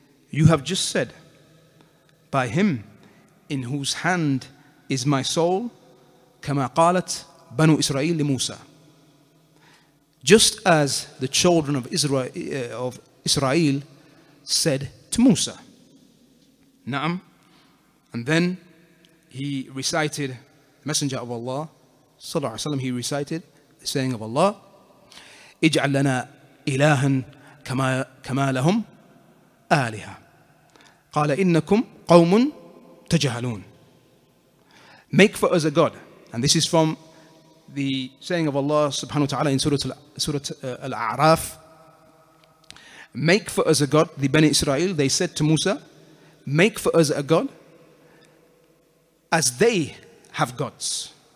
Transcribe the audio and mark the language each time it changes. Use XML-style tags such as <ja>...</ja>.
<en>You have just said, by him in whose hand is my soul,</en> <ar>كَمَا قَالَتْ بَنُوا إِسْرَائِيلِ لِمُوسَى.</ar> <en>Just as the children of Israel said to Musa.</en> <ar>Na'am.</ar> <en>And then he recited, Messenger of Allah,</en> <ar>صلى الله عليه وسلم,</ar> <en>he recited the saying of Allah,</en> <ar>اجعل لنا إلها كما لهم آلهة قال إنكم قوم تجهلون.</ar> <en>Make for us a God. And this is from the saying of Allah subhanahu wa ta'ala in Surah Al-A'raf. Make for us a God. The Bani Israel, they said to Musa, make for us a God as they have gods.</en>